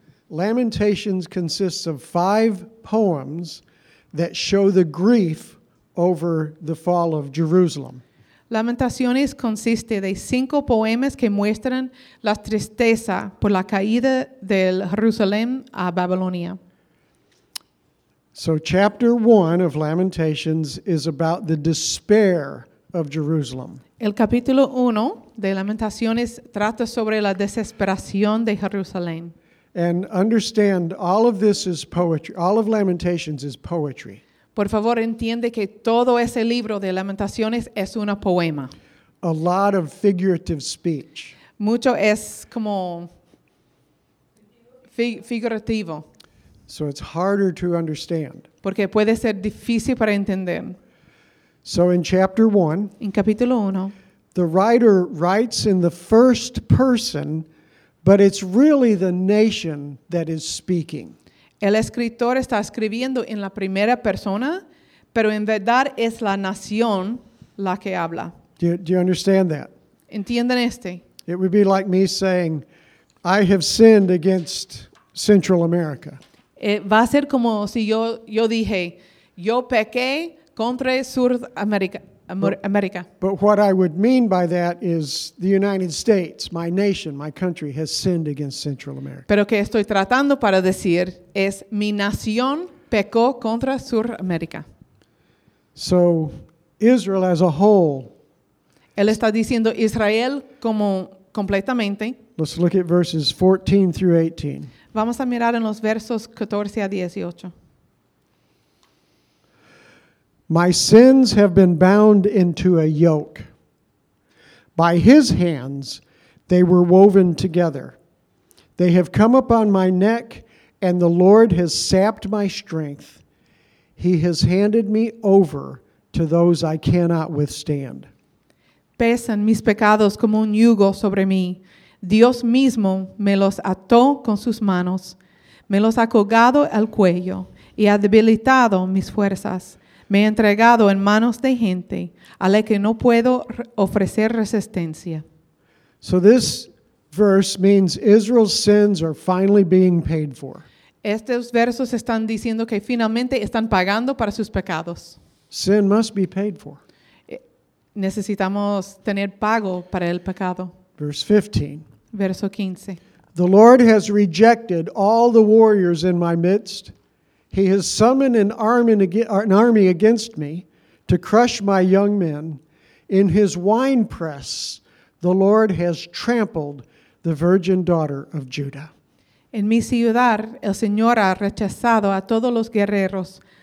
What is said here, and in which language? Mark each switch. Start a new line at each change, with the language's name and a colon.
English: Lamentations consists of 5 poems that show the grief over the fall of Jerusalem.
Spanish: Lamentaciones consiste de 5 poemas que muestran la tristeza por la caída de Jerusalén a Babilonia.
English: So chapter 1 of Lamentations is about the despair of Jerusalem.
Spanish: El capítulo 1 de Lamentaciones trata sobre la desesperación de Jerusalén.
English: And understand all of this is poetry. All of Lamentations is poetry.
Spanish: Por favor, entiende que todo ese libro de Lamentaciones es una poema.
English: A lot of figurative speech.
Spanish: Mucho es como figurativo.
English: So it's harder to understand.
Spanish: Porque puede ser difícil para entender.
English: So in chapter 1,
Spanish: en capítulo 1,
English: the writer writes in the first person, but it's really the nation that is speaking.
Spanish: El escritor está escribiendo en la primera persona, pero en verdad es la nación la que habla.
English: Do you understand that?
Spanish: ¿Entienden este?
English: It would be like me saying, I have sinned against Central America.
Spanish: Va a ser como si yo dije, yo pequé contra Sudamérica. America.
English: But what I would mean by that is the United States, my nation, my country, has sinned against Central America.
Spanish: Pero que estoy tratando para decir es mi nación pecó contra Sudamérica.
English: So Israel as a whole.
Spanish: Él está diciendo Israel como completamente.
English: Let's look at verses 14 through 18.
Spanish: Vamos a mirar en los versos 14 a 18.
English: My sins have been bound into a yoke. By his hands they were woven together. They have come upon my neck, and the Lord has sapped my strength. He has handed me over to those I cannot withstand.
Spanish: Pesan mis pecados como un yugo sobre mí. Dios mismo me los ató con sus manos. Me los ha colgado al cuello y ha debilitado mis fuerzas. Me he entregado en manos de gente a la que no puedo ofrecer resistencia.
English: So this verse means Israel's sins are finally being paid for.
Spanish: Estos versos están diciendo que finalmente están pagando para sus pecados.
English: Sin must be paid for.
Spanish: Necesitamos tener pago para el pecado.
English: Verse 15.
Spanish: Verso 15.
English: The Lord has rejected all the warriors in my midst. He has summoned an army against me to crush my young men. In his winepress, the Lord has trampled the virgin daughter of Judah.
Spanish: En mi ciudad, el Señor ha rechazado a todos los guerreros.